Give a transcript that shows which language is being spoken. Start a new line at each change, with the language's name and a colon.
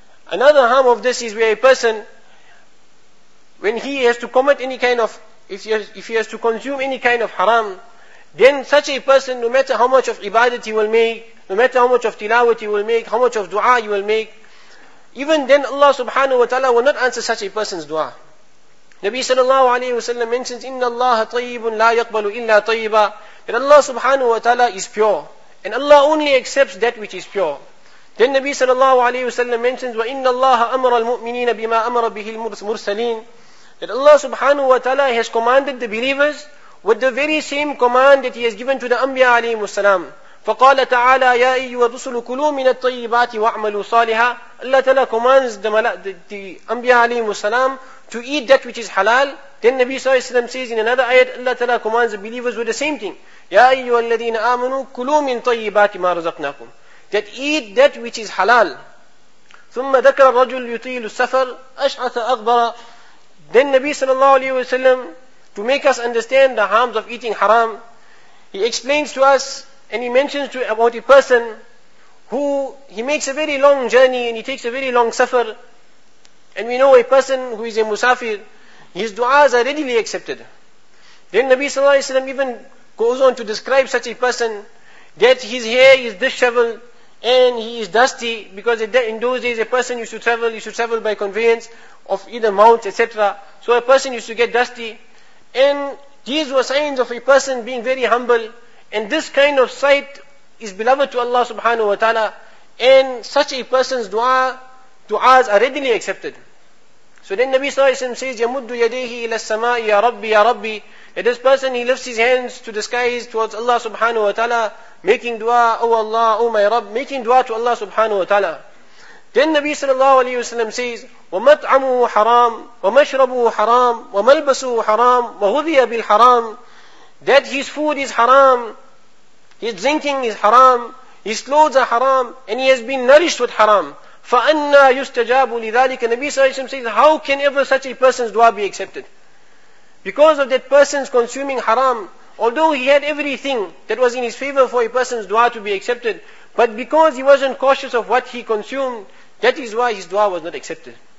English: Another harm of this is where a person, when he has to commit any kind of, if he has to consume any kind of haram, then such a person, no matter how much of ibadat he will make, no matter how much of tilawat he will make, how much of dua he will make, Even then Allah subhanahu wa ta'ala will not answer such a person's dua. Nabi sallallahu alayhi wa sallam mentions,
Arabic: إِنَّ اللَّهَ طَيِّبٌ لَا يَقْبَلُ إِلَّا طَيِّبًا.
English: That Allah subhanahu wa ta'ala is pure. And Allah only accepts that which is pure. Then Nabi sallallahu alayhi wa sallam mentions,
Arabic: وَإِنَّ اللَّهَ أَمَرَ الْمُؤْمِنِينَ بِمَا أَمَرَ بِهِ الْمُرْسَلِينَ.
English: That Allah subhanahu wa ta'ala has commanded the believers with the very same command that He has given to the Anbiya alayhi wa sallam.
Arabic: فَقَالَ تَعَالَى يَا أَيُّهَا الرُّسُلُ كُلُوا مِنَ الطَّيِّبَاتِ وَأَعْمَلُوا صَالِحًا.
English: Allah Ta'ala commands the Anbiya alayhi wa sallam to eat that which is halal. Then Nabi Sallallahu Alaihi Wasallam says in another ayat, Allah Ta'ala commands the believers with the same thing.
Arabic: يَا أَيُّهَا الَّذِينَ آمَنُوا كُلُوا مِنْ طَيِّبَاتِ مَا رَزَقْنَاكُمْ.
English: That eat that which is halal.
Arabic: ثُمَّ ذَكَرَ الرَّجُلُ يُطِيلُ السَّفَرُ أَشْعَثَ أَغْبَرَ.
English: Then Nabi Sallallahu Alaihi Wasallam, to make us understand the harms of eating haram, he explains to us and he mentions to about a person who he makes a very long journey and he takes a very long safar. And we know a person who is a musafir, his du'as are readily accepted. Then Nabi sallallahu alayhi wa sallam even goes on to describe such a person that his hair is disheveled and he is dusty, because in those days a person used to travel by conveyance of either mounts, etc. So a person used to get dusty. And these were signs of a person being very humble. And this kind of sight is beloved to Allah subhanahu wa ta'ala. And such a person's du'as are readily accepted. So then Nabi sallallahu alayhi wa sallam says,
Arabic: يَمُدُّ يَدَيْهِ إِلَى السَّمَاءِ يَا رَبِّ
English: يَا رَبِّ. And this person, he lifts his hands to the skies towards Allah subhanahu wa ta'ala, making du'a, oh Allah, oh my Rabb, making du'a to Allah subhanahu wa ta'ala. Then Nabi sallallahu alayhi wa sallam says,
Arabic: وَمَطْعَمُهُ حَرَامٌ وَمَشْرَبُهُ حَرَامٌ وَمَلْبَسُهُ حَرَامٌ وَغُذِيَ بِالْحَرَامٌ.
English: That his food is haram, his drinking is haram, his clothes are haram, and he has been nourished with haram.
Arabic: فَأَنَّا يُسْتَجَابُ لِذَلِكَ.
English: Nabi sallallahu alayhi wa sallam says, how can ever such a person's dua be accepted? Because of that person's consuming haram, although he had everything that was in his favor for a person's dua to be accepted, but because he wasn't cautious of what he consumed, that is why his dua was not accepted.